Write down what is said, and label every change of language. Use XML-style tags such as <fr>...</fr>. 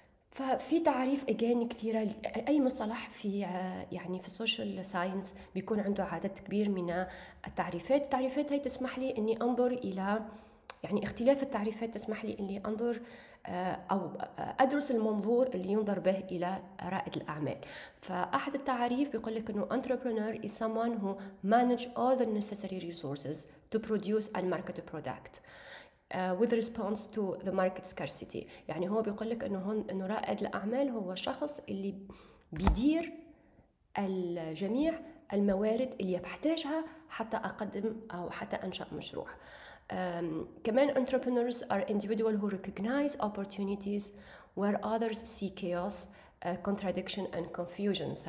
<ar>ففي تعريف اجين كثيره، اي مصطلح في يعني في السوشيال ساينس بيكون عنده عدد كبير من التعريفات. التعريفات هاي تسمح لي اني انظر الى يعني اختلاف التعريفات تسمح لي اني انظر او ادرس المنظور اللي ينظر به الى رائد الاعمال. فاحد التعريف بيقول لك انه</ar> <en>entrepreneur is someone who manage all the necessary resources to produce and market a product with response to the market scarcity.</en> <ar>يعني هو بيقول لك انه هون انه رائد الاعمال هو شخص اللي بيدير الجميع الموارد اللي بحتاجها حتى اقدم او حتى انشا مشروع. كمان</ar> <en>entrepreneurs are individuals who recognize opportunities where others see chaos, contradiction and confusions.</en>